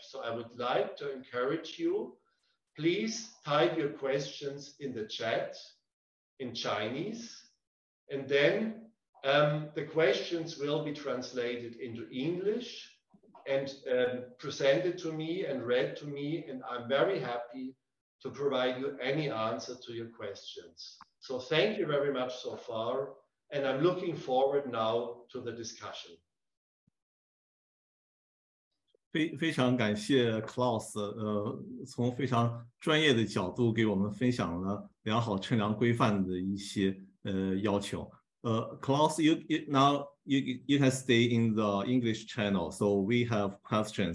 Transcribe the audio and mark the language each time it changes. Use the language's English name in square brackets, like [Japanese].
[English] So I would like to encourage you, please type your questions in the chat in Chinese, and then the questions will be translated into English and presented to me and read to me, and I'm very happy to provide you any answer to your questions. So thank you very much so far, and I'm looking forward now to the discussion. [Chinese] 非常感谢 Klaus， 从非常专业的角度给我们分享了良好称量规范的一些要求。 [English] Klaus, you can stay in the English channel, so we have questions.